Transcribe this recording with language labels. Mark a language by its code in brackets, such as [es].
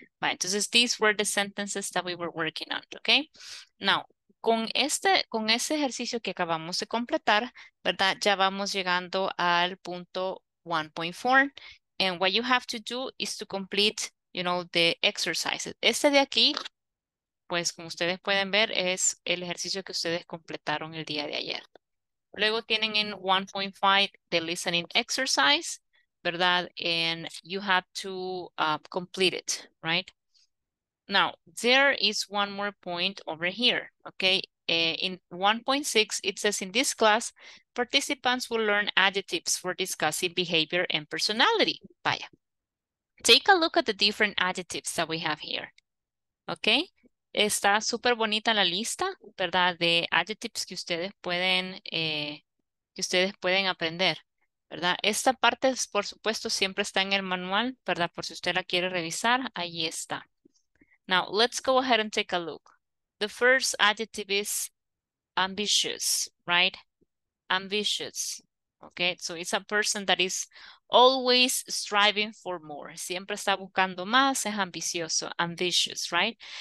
[es] Bueno, entonces, [en] these were the sentences that we were working on, ok? [es] Now, con ese ejercicio que acabamos de completar, ¿verdad? Ya vamos llegando al punto [en] 1.4, and what you have to do is to complete, you know, the exercises. [es] Este de aquí, pues como ustedes pueden ver, es el ejercicio que ustedes completaron el día de ayer. Luego tienen en 1.5 [en] the listening exercise, [es] ¿verdad? [en] And you have to complete it, right? Now, there is one more point over here, okay? In 1.6, it says in this class, participants will learn adjectives for discussing behavior and personality. Vaya. Take a look at the different adjectives that we have here. [es] Okay? Está súper bonita la lista, ¿verdad? De adjectives que ustedes pueden aprender, ¿verdad? Esta parte, por supuesto, siempre está en el manual, ¿verdad? Por si usted la quiere revisar, ahí está. [en] Now, let's go ahead and take a look. The first adjective is ambitious, right? Ambitious, okay? So it's a person that is always striving for more. [es] Siempre está buscando más, es ambicioso, ambitious, right?